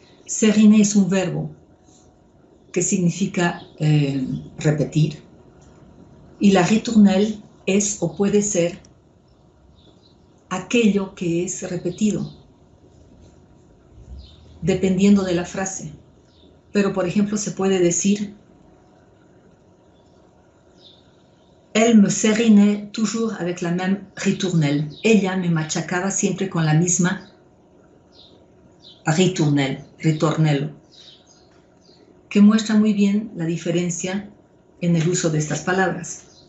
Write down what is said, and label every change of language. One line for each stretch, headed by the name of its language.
Spanish: Serenade es un verbo que significa repetir. Y la ritournelle es o puede ser aquello que es repetido, dependiendo de la frase. Pero, por ejemplo, se puede decir:
French: Elle me serinait toujours avec la même ritournelle.
Spanish: Ella me machacaba siempre con la misma ritournelle, ritornello. Que muestra muy bien la diferencia en el uso de estas palabras.